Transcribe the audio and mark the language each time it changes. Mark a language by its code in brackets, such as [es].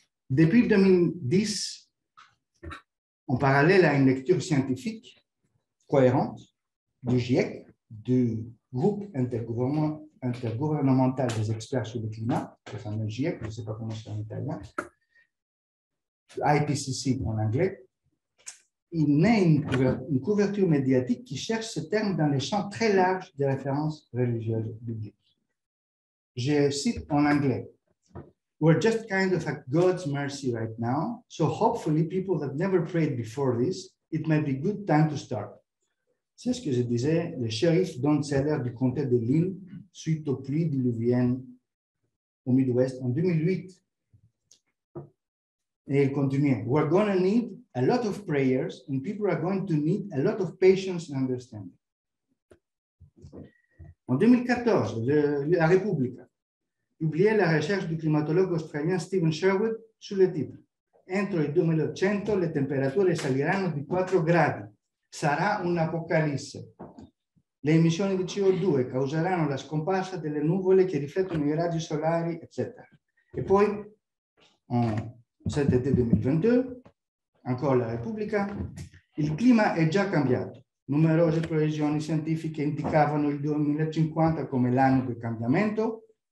[fr] Depuis 2010, en parallèle à une lecture scientifique cohérente du GIEC, du groupe intergouvernemental des experts sur le climat, le fameux GIEC, je ne sais pas comment c'est en italien, IPCC en anglais, il naît une couverture médiatique qui cherche ce terme dans les champs très larges des références religieuses bibliques. Je cite en anglais, [en] "We're just kind of at God's mercy right now, so hopefully people that never prayed before this, it might be a good time to start." [fr] C'est ce que je disais, le shérif Don Seller du comté de Lille, suite aux pluies diluviennes au Midwest en 2008. Et il continuait, [en] "We're going to need a lot of prayers and people are going to need a lot of patience and understanding." [fr] En 2014, La République publiait la recherche du climatologue australien Stephen Sherwood sous le titre « [it] Entro il 2800, le temperature saliranno di 4 gradi. Sarà un'apocalisse. Le emissioni di CO2 causeranno la scomparsa delle nuvole che riflettono i raggi solari, eccetera. E poi, [fr] en cet été 2022, [it] ancora La Repubblica, il clima è già cambiato. Numerose previsioni scientifiche indicavano il 2050 come l'anno del cambiamento.